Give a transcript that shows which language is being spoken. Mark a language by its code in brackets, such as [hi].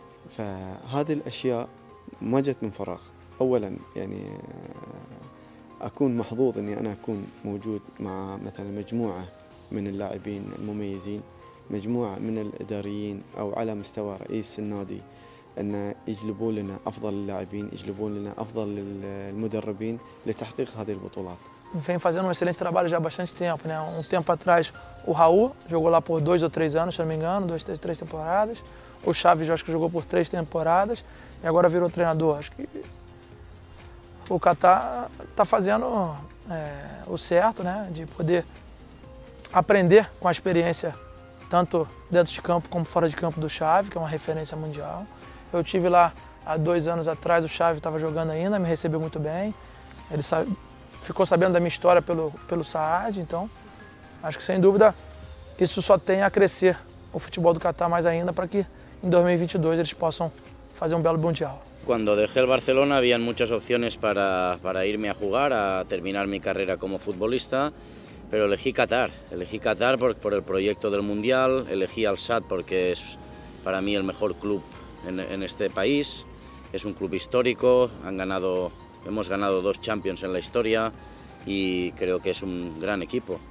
[ar] فهذه الأشياء ما جت من فراغ، أولا يعني أكون محظوظ أني أنا أكون موجود مع مثلا مجموعة من اللاعبين المميزين، مجموعة من الإداريين أو على مستوى رئيس النادي أن يجلبوا لنا أفضل اللاعبين، يجلبوا لنا أفضل المدربين لتحقيق هذه البطولات. [pt] Vem fazendo um excelente trabalho já há bastante tempo, né? Um tempo atrás o Raul jogou lá por 2 ou 3 anos, se não me engano, 2, 3, 3 temporadas. O Chaves acho que jogou por 3 temporadas e agora virou treinador. Acho que o Catar está fazendo o certo, né? De poder aprender com a experiência tanto dentro de campo como fora de campo do Chaves, que é uma referência mundial. Eu tive lá há 2 anos atrás, o Chaves estava jogando ainda, me recebeu muito bem. Ele sabe, ficou sabendo da minha história pelo Saad, então acho que sem dúvida isso só tem a crescer o futebol do Catar mais ainda para que em 2022 eles possam fazer um belo mundial. [es] Cuando dejé el Barcelona habían muchas opciones para irme a jugar, a terminar mi carrera como futbolista, pero elegí Qatar por el proyecto del Mundial, elegí al Saad porque es para mí el mejor club en este país, es un club histórico, hemos ganado 2 Champions en la historia y creo que es un gran equipo.